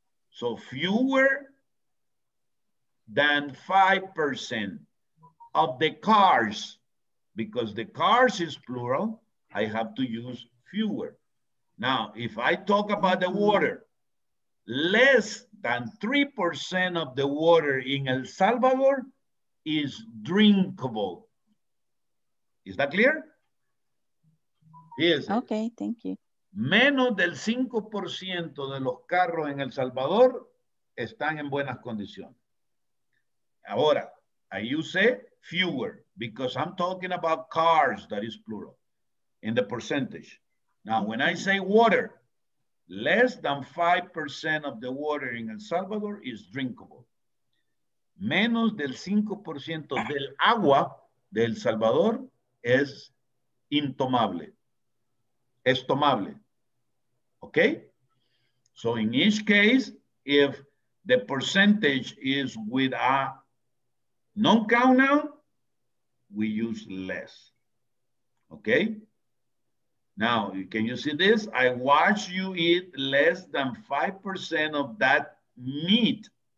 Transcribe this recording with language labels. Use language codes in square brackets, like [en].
[en] So fewer than 5% of the cars, because the cars is plural, I have to use fewer. Now, if I talk about the water, less than 3% of the water in El Salvador is drinkable. Is that clear? Yes. Okay, thank you. [es] Menos del 5% de los carros en El Salvador están en buenas condiciones. [en] Ahora, I use fewer because I'm talking about cars, that is plural, in the percentage. Now, when I say water, less than 5% of the water in El Salvador is drinkable. [es] Menos del 5% del agua de El Salvador es intomable. Es tomable. Okay? [en] So in each case, if the percentage is with a non-count noun, we use less. Okay? Now, can you see this? I watch you eat less than 5% of that meat.